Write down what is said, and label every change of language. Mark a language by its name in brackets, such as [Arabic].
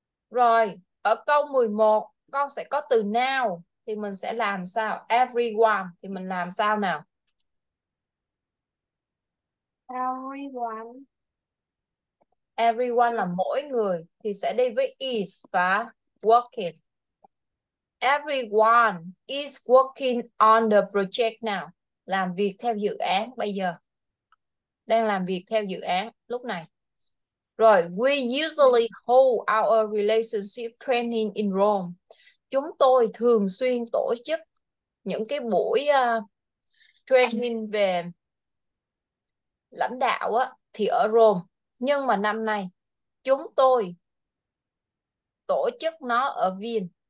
[Vietnamese] Rồi, ở câu 11 con sẽ có từ now thì mình sẽ làm sao? Everyone thì mình làm sao nào? [English] Everyone. [Vietnamese] Everyone là mỗi người thì sẽ đi với is và working. [English] Everyone is working on the project now. [Vietnamese] Làm việc theo dự án bây giờ. Đang làm việc theo dự án lúc này. [English] Rồi, we usually hold our relationship training in Rome. [Vietnamese] Chúng tôi thường xuyên tổ chức những cái buổi training về lãnh đạo á, thì ở Rome. Nhưng mà năm nay chúng tôi tổ chức nó ở Vienna.